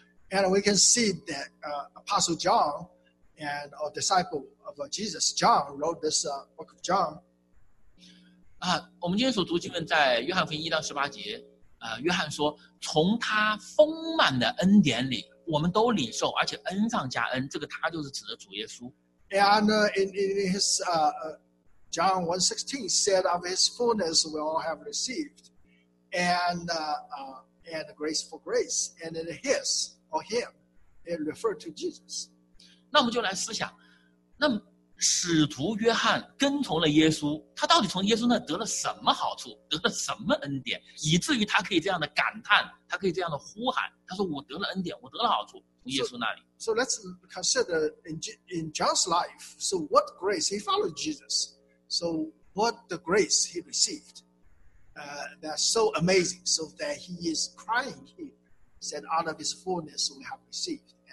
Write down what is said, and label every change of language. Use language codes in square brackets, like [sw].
[en] And we can see that Apostle John and a disciple of Jesus, John, wrote this book of John. [zh] 我们今天所读经文在约翰福音一到十八节。约翰说，从他丰满的恩典里我们都领受，而且恩上加恩，这个他就是指的主耶稣。 [en] And in his John 1:16 said of his fullness we all have received and grace for grace, and in his or him it referred to Jesus. [zh] 那我们就来思想，那使徒约翰跟从了耶稣，他到底从耶稣那得了什么好处，得了什么恩典，以至于他可以这样的感叹，他可以这样的呼喊，他说我得了恩典，我得了好处，从耶稣那里。 [en] So let's consider in John's life, so what grace, he followed Jesus, so what the grace he received, that's so amazing, so that he is crying here, said out of his fullness we have received.